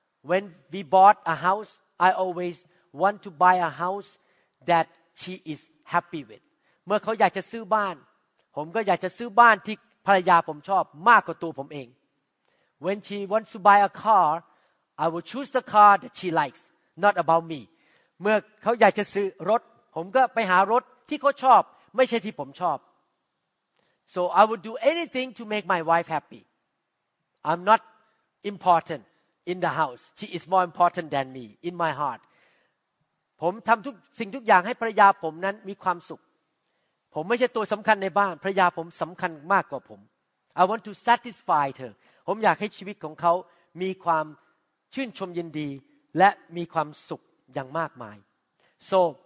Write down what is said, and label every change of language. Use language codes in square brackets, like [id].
[en] When we bought a house I always want to buy a house that she is happy with [th] เมื่อเขาอยากจะซื้อบ้านผมก็อยากจะซื้อบ้านที่ภรรยาผมชอบมากกว่าตัวผมเอง [en] When she wants to buy a car, I will choose the car that she likes, not about me. [th] เมื่อเขาอยากจะซื้อรถผมก็ไปหารถที่เขาชอบไม่ใช่ที่ผมชอบ [en] So I would do anything to make my wife happy. I'm not important in the house. She is more important than me in my heart. [th] ผมทำทุกสิ่งทุกอย่างให้ภรรยาผมนั้นมีความสุขผมไม่ใช่ตัวสำคัญในบ้านภรรยาผมสำคัญมากกว่าผม [en] I want to satisfy her [th] ผมอยากให้ชีวิตของเขามีความชื่นชมยินดีและมีความสุขอย่างมากมาย So